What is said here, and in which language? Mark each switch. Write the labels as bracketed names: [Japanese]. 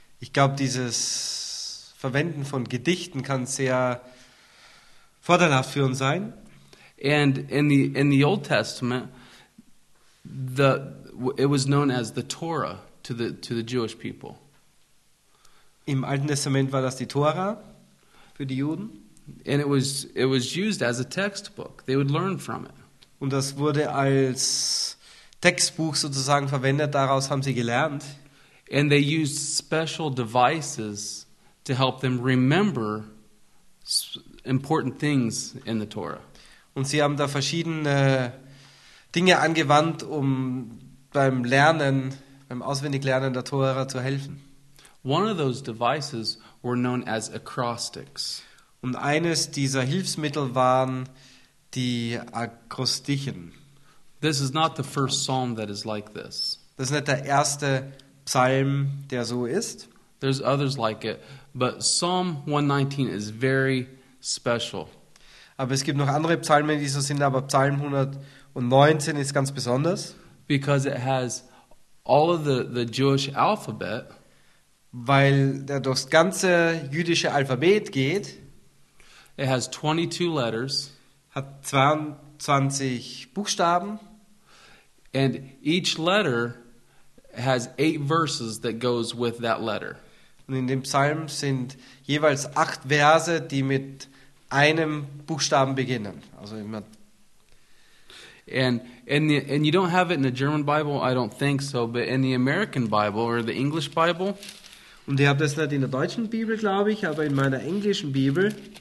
[German] Ich glaube, dieses Verwenden von Gedichten kann sehr vorteilhaft für uns sein. [English] And in the Old Testament, it was known as the Torah to the Jewish people. [German] Im Alten Testament war das die Tora für die Juden. [English] And it was used as a textbook. They would learn from it. [German] Und das wurde als Textbuch sozusagen verwendet. Daraus haben sie gelernt. [English] And they used special devices to help them remember important things in the Torah. [German] Und sie haben da verschiedene Dinge angewandt, um beim Lernen, beim Auswendiglernen der Tora zu helfen. [English] One of those devices were known as acrostics. [German] Und eines dieser Hilfsmittel waren die Akrostichen. [English] This is not the first psalm that is like this. [German] Das ist nicht der erste Psalm, der so ist. [English] There's others like it, but Psalm 119 is very special. [German] Aber es gibt noch andere Psalmen, die so sind, aber Psalm 119 ist ganz besonders. [English] Because it has all of the Jewish alphabet. [German] Weil der durch das ganze jüdische Alphabet geht. [English] It has 22 letters. [German] Hat 22 Buchstaben. [English] And each letter has 8 verses that goes with that letter. [German] Und in dem Psalm sind jeweils 8 Verse, die mit einem Buchstaben beginnen. Also immer. [English] And you don't have it in the German Bible, I don't think so, but in the American Bible or the English Bible. [German] Und ihr habt das nicht in der deutschen Bibel, glaube ich, aber in meiner englischen Bibel.